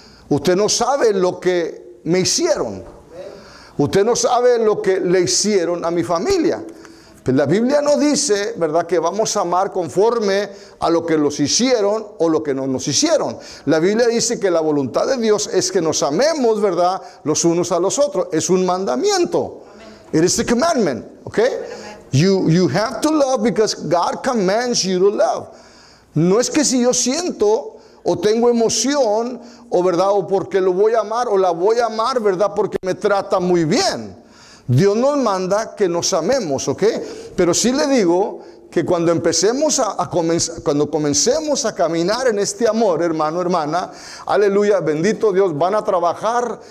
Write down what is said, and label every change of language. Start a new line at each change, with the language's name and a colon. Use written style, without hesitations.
Spanish: Usted no sabe lo que me hicieron. Usted no sabe lo que le hicieron a mi familia. Pues la Biblia no dice, ¿verdad?, que vamos a amar conforme a lo que los hicieron o lo que no nos hicieron. La Biblia dice que la voluntad de Dios es que nos amemos, ¿verdad?, los unos a los otros. Es un mandamiento.
English: It is a commandment, okay? You have to love because God commands you to love.
Spanish: No es que si yo siento o tengo emoción o verdad o porque lo voy a amar o la voy a amar, verdad, porque me trata muy bien. Dios nos manda que nos amemos, okay? Pero sí le digo que cuando empecemos cuando comencemos a caminar en este amor, hermano, hermana, aleluya, bendito Dios, van a trabajar,